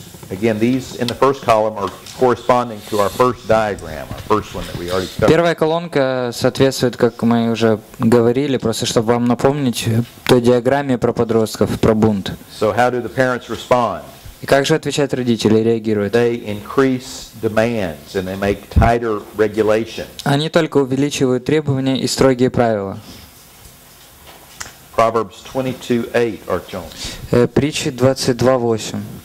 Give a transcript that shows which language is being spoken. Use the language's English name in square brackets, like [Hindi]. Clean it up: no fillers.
[English] Again, these in the first column are corresponding to our first diagram, our first one that we already covered. [Russian] Первая колонка соответствует, как мы уже говорили, просто чтобы вам напомнить, той диаграмме про подростков, про бунт. [English] So how do the parents respond? [Russian] И как же отвечают родители, реагируют? [English] They increase demands and they make tighter regulations. [Russian] Они только увеличивают требования и строгие правила. [English] Proverbs 22:8, Archon. [Russian] Притчи 22:8.